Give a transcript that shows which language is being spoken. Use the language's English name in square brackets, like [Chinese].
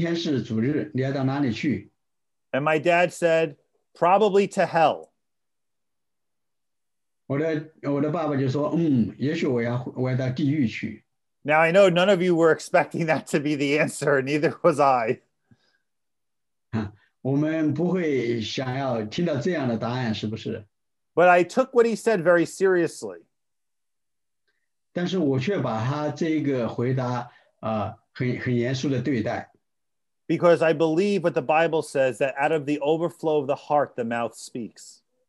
[Chinese] 我说是明天是主日，你要到哪里去？ [English] And my dad said, probably to hell. [Chinese] 我的爸爸就说，嗯，也许我要到地狱去。 [English] Now, I know none of you were expecting that to be the answer, neither was I. [Chinese] 我们不会想要听到这样的答案，是不是？ [English] But I took what he said very seriously. [Chinese] 但是我却把他这个回答很严肃地对待。 [English] Because I believe what the Bible says, that out of the overflow of the heart, the mouth speaks.